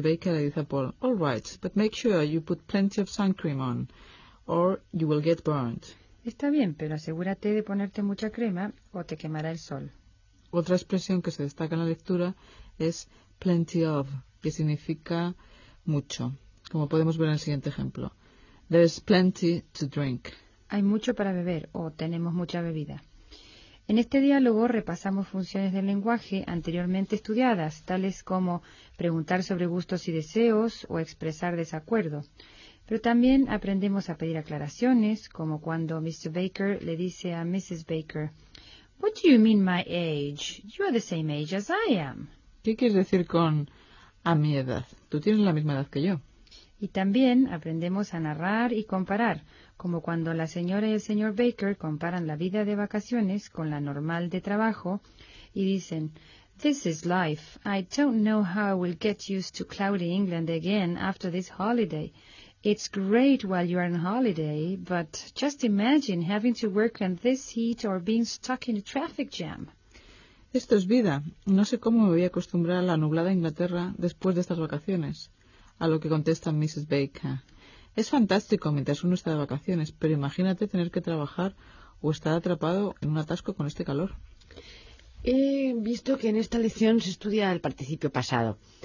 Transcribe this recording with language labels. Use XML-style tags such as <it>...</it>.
<en>Baker</en> <es>le dice a</es> <en>Paul, all right, but make sure you put plenty of sun cream on or you will get burned.</en> <es>Está bien, pero asegúrate de ponerte mucha crema o te quemará el sol. Otra expresión que se destaca en la lectura es plenty of, que significa mucho. Como podemos ver en el siguiente ejemplo.</es> <en>There's plenty to drink.</en> <es>Hay mucho para beber o tenemos mucha bebida. En este diálogo repasamos funciones del lenguaje anteriormente estudiadas, tales como preguntar sobre gustos y deseos o expresar desacuerdo. Pero también aprendemos a pedir aclaraciones, como cuando Mr.</es> <en>Baker</en> <es>le dice a</es> <en>Mrs. Baker, What do you mean my age? You are the same age as I am.</en> <es>¿Qué quieres decir con a mi edad? Tú tienes la misma edad que yo. Y también aprendemos a narrar y comparar, como cuando la señora y el señor Baker comparan la vida de vacaciones con la normal de trabajo y dicen,</es> <en>This is life. I don't know how I will get used to cloudy England again after this holiday. It's great while you're on holiday, but just imagine having to work in this heat or being stuck in a traffic jam.</en> <es>Esto es vida. No sé cómo me voy a acostumbrar a la nublada Inglaterra después de estas vacaciones. A lo que contesta Mrs. Baker. Es fantástico mientras uno está de vacaciones, pero imagínate tener que trabajar o estar atrapado en un atasco con este calor. He visto que en esta lección se estudia el participio pasado.</es>